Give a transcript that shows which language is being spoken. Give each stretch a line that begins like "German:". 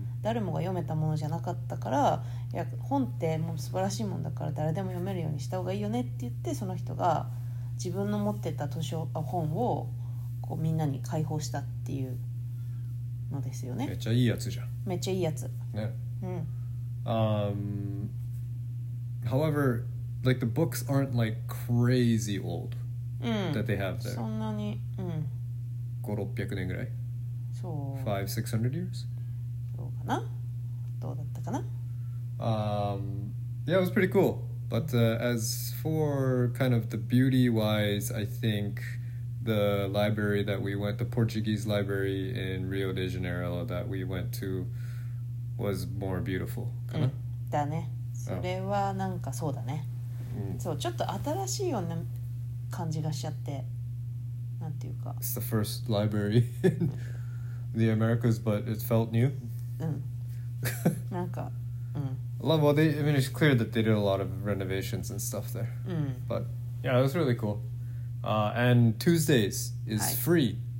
Japanese: 誰もが読めたものじゃなかったから、いや本ってもう素晴らしいもんだから誰でも読めるようにした方がいいよねって言って、その人が自分の持ってた図書本をこうみんなに開放したっていうのですよね。めっちゃいいやつじゃん。めっちゃいいやつ。ね。うん。
English: However, like the books aren't like crazy old、
Japanese: うん、
English: that they have there.
Japanese: そんなに、うん。 500-600 年ぐらい。そう。
English: 500-600 years?
Japanese: どうかな。どうだったかな。
English: Yeah, it was pretty cool. But、as for kind of the beauty wise, I think the library that we went, the Portuguese library in Rio de Janeiro that we went to was more beautiful.
Japanese: だね。それはなんかそうだね。そう、ちょっと新しいような感じがしちゃって。なんていうか。
English: It's the first library in the Americas, but it felt new.
Japanese: なんか。
English: Well, they, I mean, it's clear that they did a lot of renovations and stuff there. But yeah, it was really cool. And Tuesdays is free.